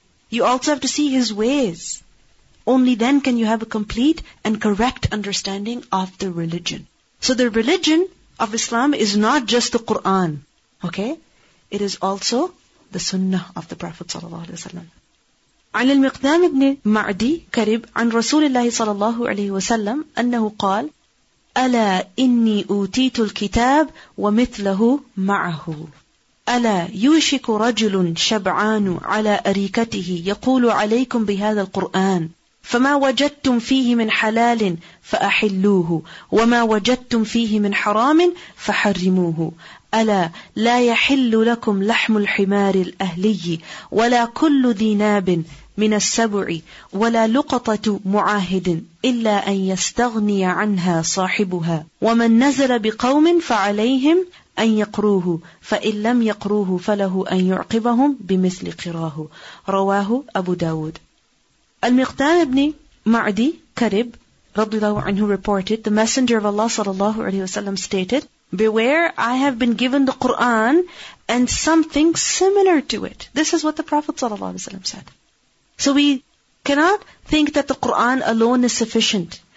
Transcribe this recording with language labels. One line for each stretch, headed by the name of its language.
English: You also have to see his ways. Only then can you have a complete and correct understanding of the religion. So the religion of Islam is not just the Quran. Okay, it is also the sunnah of the Prophet صلى الله عليه وسلم.
Arabic: عن المقدام بن معدي كرب عن رسول الله صلى الله عليه وسلم أنه قال ألا إني أوتيت الكتاب ومثله معه ألا يوشك رجل شبعان على أريكته يقول عليكم بهذا القرآن فما وجدتم فيه من حلال فأحلوه وما وجدتم فيه من حرام فحرموه ألا لا يحل لكم لحم الحمار الأهلي ولا كل ذي ناب من السبع ولا لقطة معاهد إلا أن يستغني عنها صاحبها ومن نزل بقوم فعليهم أن يقروه فإن لم يقروه فله أن يعقبهم بمثل قراه رواه أبو داود.
English: المقدام بن معدي كرب رضي الله عنه reported, the messenger of Allah صلى الله عليه وسلم stated, beware, I have been given the Quran and something similar to it. This is what the Prophet ﷺ said. So we cannot think that the Quran alone is sufficient.